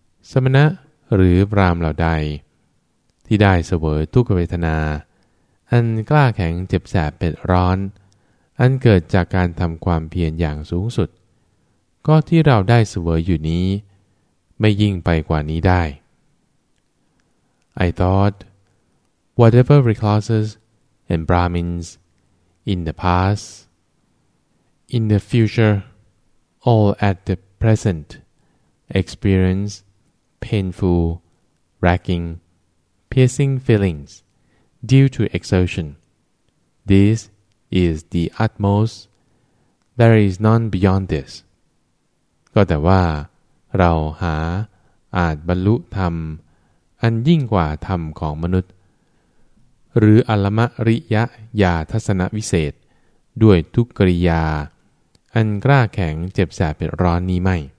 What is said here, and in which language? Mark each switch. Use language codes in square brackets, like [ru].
[th] สมณะหรือพราหมณ์เหล่าใดที่ได้เสวยทุกขเวทนาอันกล้าแข็งเจ็บแสบเป็ดร้อนอันเกิดจากการทำความเพียรอย่างสูงสุดก็ที่เราได้เสวยอยู่นี้ไม่ยิ่งไปกว่านี้ได้ [en] I thought whatever recluses and Brahmins in the past, in the future, all at the present experience painful, racking, piercing feelings due to exertion. This is the utmost. There is none beyond this. [th] ก็แต่ว่าเราหาอาจบรรลุธรรมอันยิ่งกว่าธรรมของมนุษย์หรืออัลมริยะยาทัศนวิเศษด้วยทุกกริยาอันกล้าแข็งเจ็บแสบเป็นร้อนนี้ไม่